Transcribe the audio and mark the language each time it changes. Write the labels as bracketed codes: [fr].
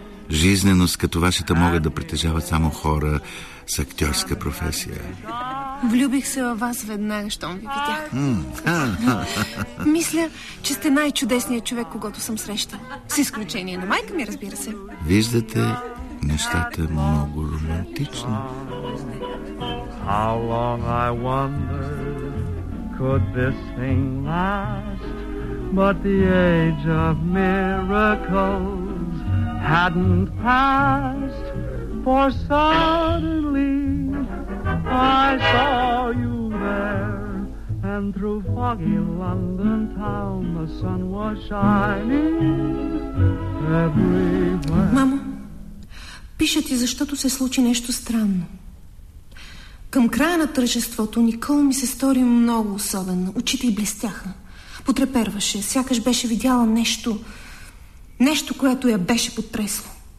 [bg] Жизненост като вашата могат да притежават само хора с актьорска професия. Влюбих се във вас веднага, щом ви видях. Мисля, че сте най-чудесният човек, когото съм срещал. С изключение на майка ми, разбира се. Виждате, нещата е много романтично. [en] How long I wonder could this thing last? But the age of miracles hadn't passed. For suddenly I saw you there, and through foggy London town the sun was shining everywhere. [bg] Мамо, пиша ти, защото се случи нещо странно. Към края на тържеството Никол ми се стори много особено. Очите й блестяха. Потреперваше, сякаш беше видяла нещо, нещо, което я беше потресло.